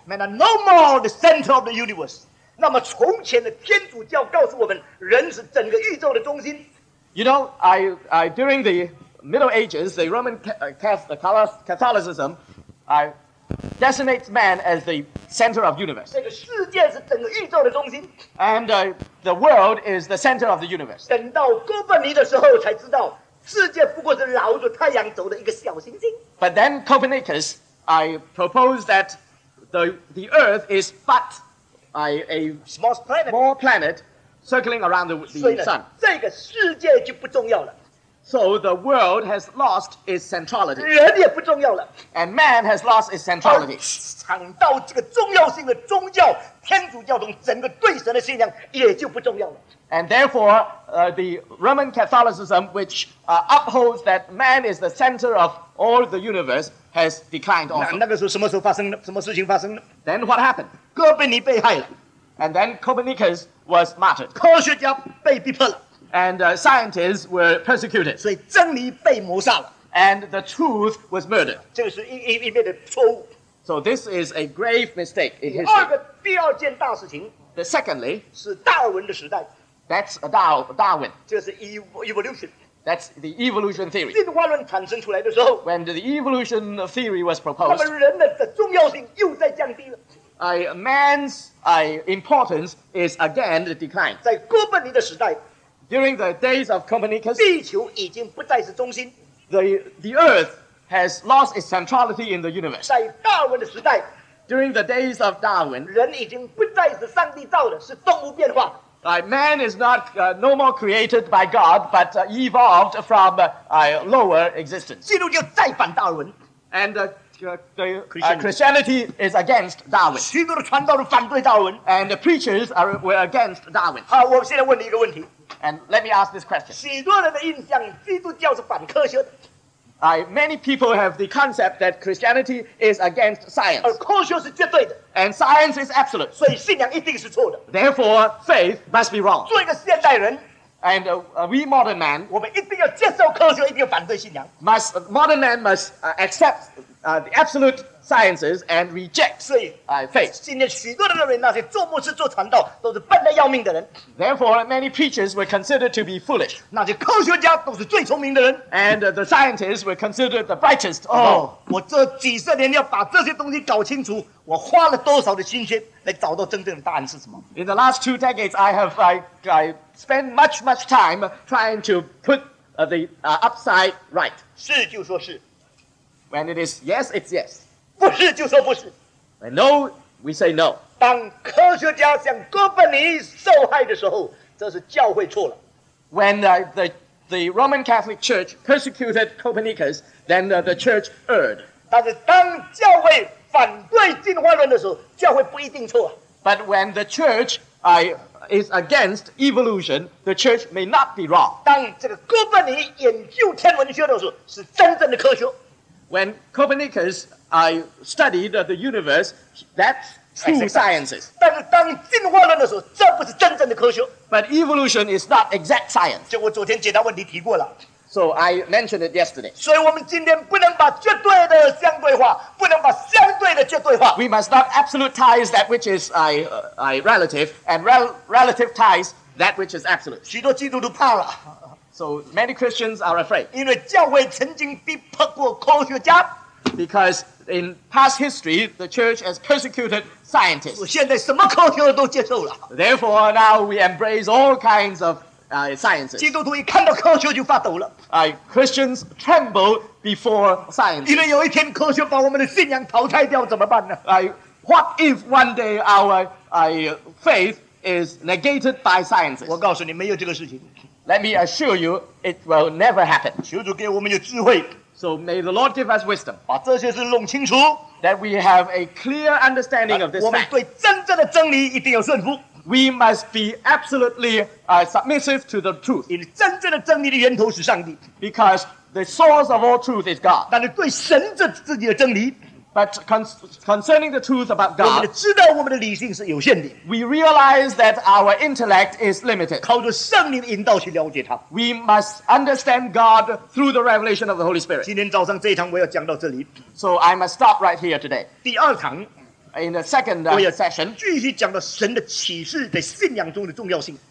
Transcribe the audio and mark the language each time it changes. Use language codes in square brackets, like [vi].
[en] Man are no more the center of the universe. [zh] 那么从前的天主教告诉我们，人是整个宇宙的中心。 [en] You know, I during the Middle Ages, the Roman Catholicism, I designates man as the center of universe. [zh] 这个世界是整个宇宙的中心。 [en] And the world is the center of the universe. [zh] 等到哥本尼的时候才知道，世界不过是绕着太阳走的一个小行星。 [en] But then Copernicus, I propose that the Earth is butA small planet, more planet circling around the sun. [zh] 这个世界就不重要了。 [en] So the world has lost its centrality. [zh] 人也不重要了。 [en] And man has lost its centrality. [zh] 抢到这个重要性的宗教，天主教中整个对神的信仰也就不重要了。 [en] And therefore, the Roman Catholicism, which upholds that man is the center of all the universe, has declined also. [zh] 那个时候什么时候发生的？什么事情发生的？ [en] Then what happened? [zh] 哥本尼被害了 [en] and then Copernicus was martyred. [zh] 科学家被逼迫了 [en] and scientists were persecuted. [zh] 所以真理被谋杀了 [en] and the truth was murdered. [zh] 这个是一面的错误 [en] So this is a grave mistake in history. [zh] 第二件大事情 [en] The secondly [zh] 是达尔文的时代 [en] That's Darwin. [zh] 这是 evolution. [en] That's the evolution theory. [zh] 进化论产生出来的时候 [en] when the evolution theory was proposed. [zh] 那么人的重要性又在降低了 [en] Man's importance is again declined. [zh] 在哥本尼的时代 [en] during the days of Copernicus, [zh] 地球已经不再是中心 [en] the earth has lost its centrality in the universe. [zh] 在达尔文的时代 [en] during the days of Darwin, [zh] 人已经不再是上帝造的，是动物变化 [en] Man is not no more created by God, but evolved from lower existence. [zh] 基督教再反达尔文 [en] and Christianity is against Darwin. [zh] 许多的传道人反对达尔文 [en] and the preachers were against Darwin. [zh] 好，我现在问你一个问题 [en] and let me ask this question. [zh] 许多人的印象，基督教是反科学的。 [en] Many people have the concept that Christianity is against science. [zh] 而科学是绝对的 [en] and science is absolute. [zh] 所以信仰一定是错的。 [en] Therefore, faith must be wrong. [zh] 做一个现代人。 [en] And we modern man, [zh] 我们一定要接受科学，一定要反对信仰。 [en] Modern man must accept the absolute sciences and reject faith. [zh] 今天许多的人，那些做牧师、做传道，都是笨得要命的人。 [en] Therefore, many preachers were considered to be foolish. [zh] 那些科学家都是最聪明的人。 [en] And the scientists were considered the brightest. [zh] 我这几十年要把这些东西搞清楚，我花了多少的心血来找到真正的答案是什么 [en] ？In the last two decades, I have I spent much time trying to put the upside right. [zh] 是就说是。 [en] When it is yes, it's yes. [zh] 不是就说不是。 [en] When no, we say no. [zh] 当科学家向哥本尼受害的时候，这是教会错了。 [en] When the Roman Catholic Church persecuted Copernicus, then the church erred. [zh] 但是当教会反对进化论的时候，教会不一定错。 [en] But when the church is against evolution, the church may not be wrong. [zh] 当这个哥本尼研究天文学的时候，是真正的科学。 [en] When Copernicus studied the universe, that's true sciences. [zh] 但是当进化论的时候，这不是真正的科学。 [en] But evolution is not exact science. [zh] 就我昨天解答问题提过了。 [en] So I mentioned it yesterday. [zh] 所以我们今天不能把绝对的相对化，不能把相对的绝对化。 [en] We must not absolutize that which is relative, and relativize that which is absolute. [zh] 许多基督徒怕了。 [en] So many Christians are afraid. [zh] 因为教会曾经逼迫过科学家。 [en] Because in past history, the church has persecuted scientists. [zh] 我现在什么科学都接受了。 [en] Therefore, now we embrace all kinds of sciences. [zh] 基督徒一看到科学就发抖了。 [en] Christians tremble before science. [zh] 因为有一天科学把我们的信仰淘汰掉，怎么办呢？ [en] What if one day our faith is negated by sciences? [zh] 我告诉你，没有这个事情。 [en] Let me assure you, it will never happen. [zh] 求主给我们有智慧。 [en] So may the Lord give us wisdom. [zh] 把这些事弄清楚。 [en] That we have a clear understanding of this fact. [zh] 我们对真正的真理一定要顺服。 [en] We must be absolutely submissive to the truth. [zh] 因为真正的真理的源头是上帝。 [en] Because the source of all truth is God. [zh] 但是对神这自己的真理。 [en] But concerning the truth about God, [zh] 我们知道我们的理性是有限的。 [en] We realize that our intellect is limited. [zh] 靠着圣灵的引导去了解他。 [en] We must understand God through the revelation of the Holy Spirit. [zh] 今天早上这一堂我要讲到这里。 [en] So I must stop right here today. [zh] 第二堂。 [en] In the second session, [zh] 继续讲到神的启示在信仰中的重要性。